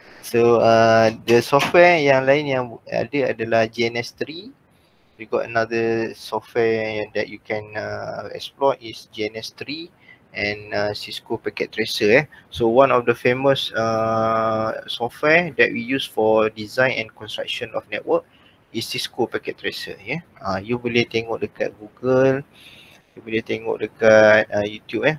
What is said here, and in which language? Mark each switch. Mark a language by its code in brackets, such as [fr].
[en] The software [ms] yang lain yang ada adalah GNS3. [en] We got another software that you can explore is GNS3 and Cisco Packet Tracer, eh. So one of the famous software that we use for design and construction of network is Cisco Packet Tracer, ya. Yeah. [ms] You boleh tengok dekat Google, you boleh tengok dekat YouTube, eh.